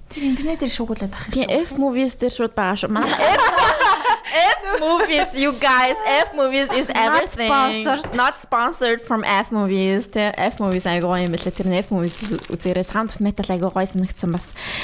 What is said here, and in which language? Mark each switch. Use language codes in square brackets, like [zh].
[mn] Тэр интернетээр шуугуулад ахсан. Тийм F movies дээр шууд байгаа шүү. Манай [en] F movies you guys, F movies is everything. Not sponsored from F movies. [mn] Тэр F movies аа гой юм лээ. Тэр F movies үзээрээ Sound of Metal аа гой санагдсан бас.